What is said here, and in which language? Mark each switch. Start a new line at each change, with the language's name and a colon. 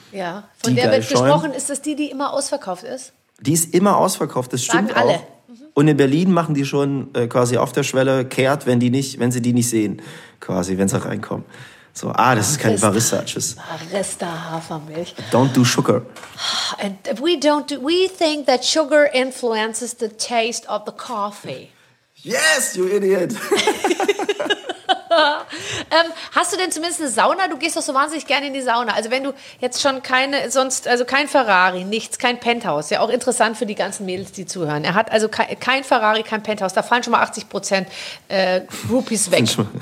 German: Ja, von der wird gesprochen, ist das die immer ausverkauft ist? Die ist immer ausverkauft, das stimmt auch. Sagen alle. Und in Berlin machen die schon quasi auf der Schwelle kehrt, wenn sie die nicht sehen, quasi, wenn sie reinkommen. So, das ist keine Barista, tschüss. Barista Hafermilch.
English: Don't do sugar. And we think that sugar influences the taste of the coffee. Yes, you idiot.
German: Hast du denn zumindest eine Sauna? Du gehst doch so wahnsinnig gerne in die Sauna. Also wenn du jetzt schon kein Ferrari, nichts, kein Penthouse. Ja, auch interessant für die ganzen Mädels, die zuhören. Er hat also kein Ferrari, kein Penthouse. Da fallen schon mal 80% Rupees weg.